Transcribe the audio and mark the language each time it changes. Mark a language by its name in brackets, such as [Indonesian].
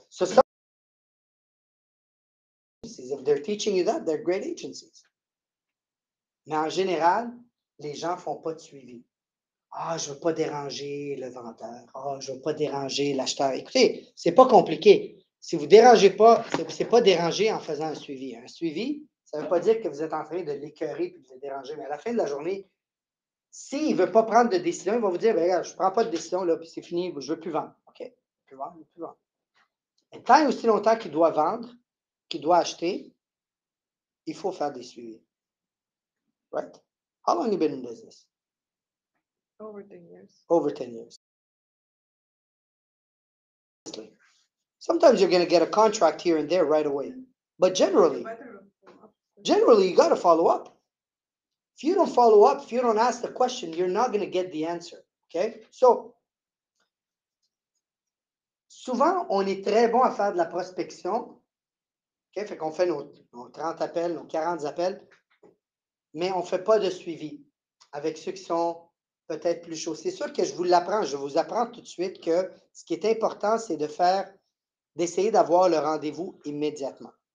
[English] So, if they're teaching you that, they're great agencies. [French] Mais en général, les gens ne font pas de suivi. Ah, je ne veux pas déranger le vendeur. Ah, je ne veux pas déranger l'acheteur. Écoutez, c'est pas compliqué. Si vous ne dérangez pas, c'est pas déranger en faisant un suivi. Un suivi, Ça ne veut pas dire que vous êtes en train de l'écœurer et de le déranger, mais à la fin de la journée, s'il ne veut pas prendre de décision, il va vous dire, ben, regarde, je ne prends pas de décision, là, puis c'est fini, je ne veux plus vendre. OK? Plus vendre, je veux plus vendre. Et tant et aussi longtemps qu'il doit vendre, qu'il doit acheter, il faut faire des suivis. [English] Right? How long have you been in business? Over 10 years. Over 10 years. Sometimes you're going to get a contract here and there right away. But generally, you got to follow up. If you don't follow up, if you don't ask the question, you're not going to get the answer. Okay? [French] So, souvent, on est très bon à faire de la prospection. Okay? Fait qu'on fait nos 30 appels, nos 40 appels, mais on ne fait pas de suivi avec ceux qui sont peut-être plus chauds. C'est sûr que je vous l'apprends. Je vous apprends tout de suite que ce qui est important, c'est d'essayer d'avoir le rendez-vous immédiatement.